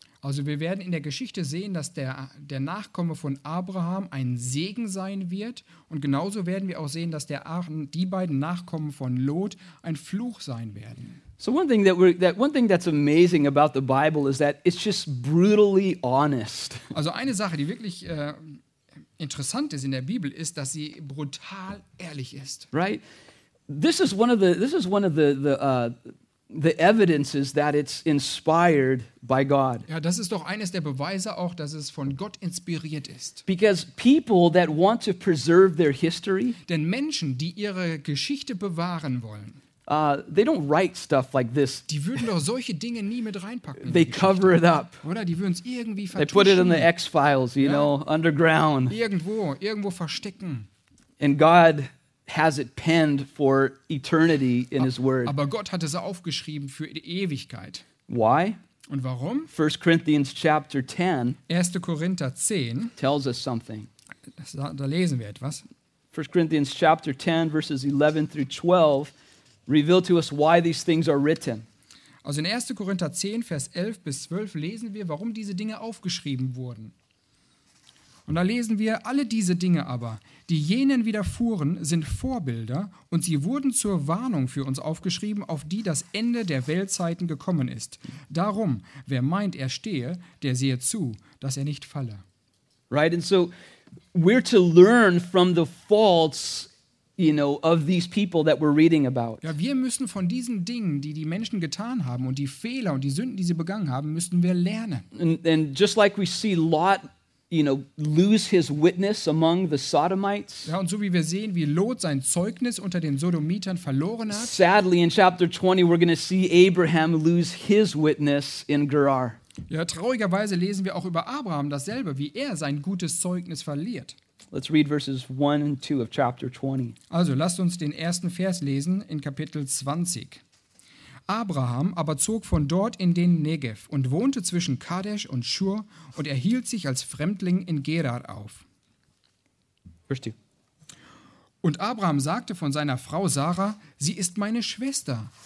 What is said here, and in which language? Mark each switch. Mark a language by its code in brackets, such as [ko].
[de] Also wir werden in der Geschichte sehen, dass der Nachkomme von Abraham ein Segen sein wird. Und genauso werden wir auch sehen, dass die beiden Nachkommen von Lot ein Fluch sein werden. [en] So one thing that's amazing about the Bible is that it's just brutally honest. [de] Also eine Sache, die wirklich interessant ist in der Bibel, ist, dass sie brutal ehrlich ist. [en] Right? This is one of the evidences that it's inspired by God. [de] Ja, das ist doch eines der Beweise auch, dass es von Gott inspiriert ist. [en] Because people that want to preserve their history, [de] denn Menschen, die ihre Geschichte bewahren wollen, [en] they don't write stuff like this. [de] Die würden doch solche Dinge nie mit reinpacken. [en] They cover it up. [de] Oder die würden es irgendwie vertuschen. [en] They put it in the X-Files, you know, underground. [de] Irgendwo verstecken. [en] And God has it penned for eternity in his word. [de] Aber Gott hat es aufgeschrieben für die Ewigkeit. [en] Why? [de] Und warum? [en] 1 Corinthians chapter 10. [de] 1. Korinther 10 [en] tells us something. [de] Da lesen wir etwas. [en] 1 Corinthians chapter 10 verses 11 through 12 reveal to us why these things are written. [de] Also in 1. Korinther 10 Vers 11 bis 12 lesen wir, warum diese Dinge aufgeschrieben wurden. Und da lesen wir, alle diese Dinge aber, die jenen widerfuhren, sind Vorbilder und sie wurden zur Warnung für uns aufgeschrieben, auf die das Ende der Weltzeiten gekommen ist. Darum, wer meint, er stehe, der sehe zu, dass er nicht falle. [en] Right, and so we're to learn from the faults, you know, of these people that we're reading about. [de] Ja, wir müssen von diesen Dingen, die die Menschen getan haben und die Fehler und die Sünden, die sie begangen haben, müssen wir lernen. [en] And just like we see Lot, you know, lose his witness among the Sodomites. [de] Ja, und so wie wir sehen, wie Lot sein Zeugnis unter den Sodomitern verloren hat. [en] Sadly, in chapter 20, we're going to see Abraham lose his witness in Gerar. [de] Ja, traurigerweise lesen wir auch über Abraham dasselbe, wie er sein gutes Zeugnis verliert. [en] Let's read verses 1 and 2 of chapter 20. [de] Also, lasst uns den ersten Vers lesen in Kapitel 20. Abraham aber zog von dort in den Negev und wohnte zwischen Kadesh und Shur und er hielt sich als Fremdling in Gerar auf. Verstehe. Und Abraham sagte von seiner Frau Sara, sie ist meine Schwester.